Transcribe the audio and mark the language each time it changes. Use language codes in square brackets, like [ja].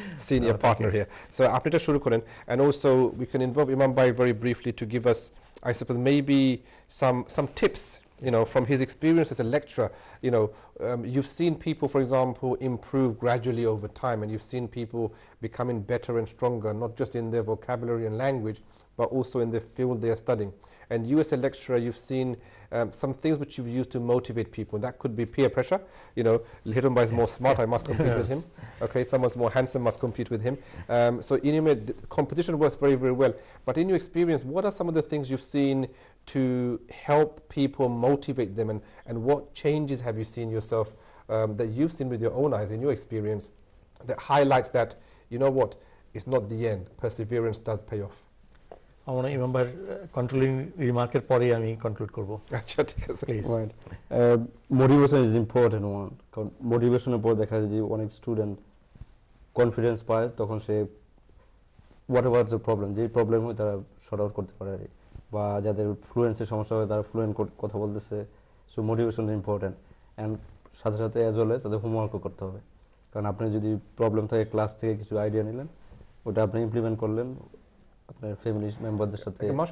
[en] senior partner here so [bn] আপনি এটা শুরু করেন [en] And also we can involve Imam bhai very briefly to give us I suppose maybe some tips You know, from his experience as a lecturer, you know, you've seen people, for example, improve gradually over time, and you've seen people becoming better and stronger, not just in their vocabulary and language, but also in the field they are studying. And you as a lecturer, you've seen some things which you've used to motivate people. That could be peer pressure. You know, Hiram Bhai is more smart, I must compete with him. Okay, someone's more handsome must compete with him. So in your mind, competition works very, very well. But in your experience, what are some of the things you've seen to help people motivate them? And what changes have you seen yourself that you've seen with your own eyes in your experience that highlights that, you know what, it's not the end. Perseverance does pay off. [bn] আমরা ইমামবার controlling রিমার্কের পরেই আমি conclude করব আচ্ছা ঠিক আছে [en] please motivation is important one [bn] কারণ মোটিভেশনের পর দেখা যায় যে অনেক স্টুডেন্ট কনফিডেন্স পায় তখন say what ever the problem যে প্রবলেম হয় তারা শর্ট আউট করতে পারে বা যাদের ফ্লুয়েন্সের সমস্যা হয় তারা ফ্লুয়েন্ট কথা বলতেছে [en] so motivation is important and [bn] সাথে সাথে অ্যাজ ওয়েল তাদের হোমওয়ার্কও করতে হবে কারণ আপনি যদি প্রবলেম থাকে ক্লাস থেকে কিছু আইডিয়া নিলেন ওটা আপনি ইমপ্লিমেন্ট করলেন আপনার ফ্যামিলি মেম্বারদের সাথে